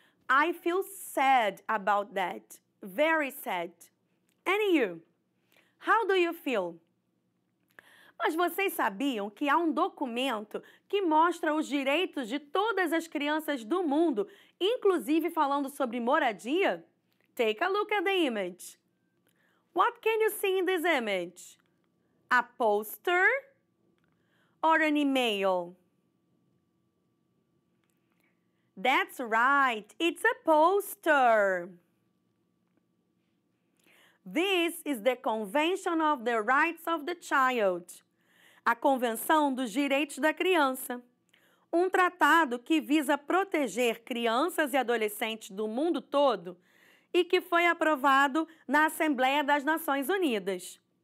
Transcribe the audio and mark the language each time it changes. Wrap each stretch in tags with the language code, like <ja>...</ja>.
<en>I feel sad about that. Very sad. And you? How do you feel?</en> <pt>Mas vocês sabiam que há um documento que mostra os direitos de todas as crianças do mundo, inclusive falando sobre moradia?</pt> <en>Take a look at the image. What can you see in this image? a poster or an email? That's right, it's a poster. This is the Convention of the Rights of the Child.</en> <pt>A Convenção dos Direitos da Criança. Um tratado que visa proteger crianças e adolescentes do mundo todo e que foi aprovado na Assembleia das Nações Unidas.</pt>